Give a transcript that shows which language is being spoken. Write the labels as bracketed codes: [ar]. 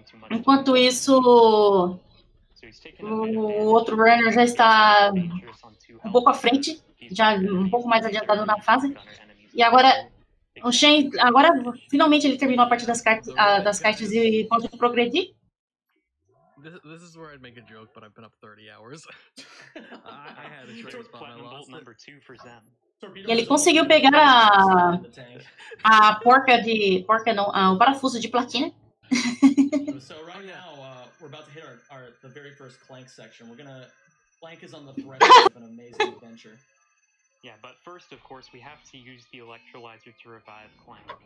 [pt] Enquanto isso, o outro runner já está um pouco à frente, já um pouco mais adiantado na fase. E agora, o Shane, agora finalmente ele terminou a parte das caixas e pode progredir. [en] This is where I'd make a joke, but I've been up 30 hours. I had a trade spot. I lost number two for Zem. [pt] E ele conseguiu pegar a porca de porca não, o parafuso de platina. [en] So right now, we're about to hit the very first Clank section. Clank is on the threat of an amazing adventure. Yeah, but first, of course, we have to use the electrolyzer to revive Clank.